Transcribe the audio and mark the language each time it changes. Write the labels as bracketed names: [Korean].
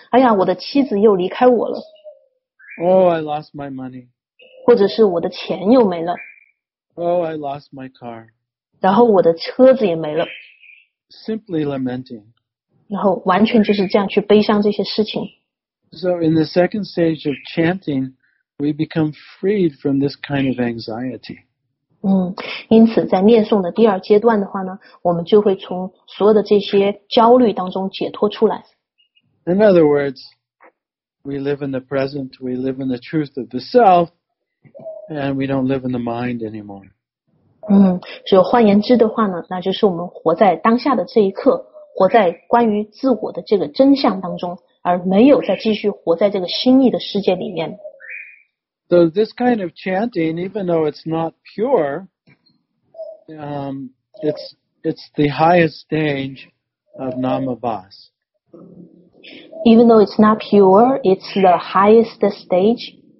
[Chinese] 哎呀，我的妻子又离开我了。 [English] Oh, I lost my money. [Chinese] 或者是我的钱又没了。 [English] Oh, I lost my car. [Chinese] 然后我的车子也没了。 [English] Simply lamenting. [Chinese] 然后完全就是这样去悲伤这些事情。 [English] So in the second stage of chanting, we become freed from this kind of anxiety. [Chinese] 因此在念诵的第二阶段的话呢，我们就会从所有的这些焦虑当中解脱出来。 [English] In other words, we live in the present, we live in the truth of the self, and we don't live in the mind anymore. [Chinese] 所以换言之的话呢，那就是我们活在当下的这一刻，活在关于自我的这个真相当中，而没有再继续活在这个心意的世界里面。 [English] So this kind of chanting, even though it's not pure, it's the highest stage of namabhas. Even though it's not pure, it's the highest stage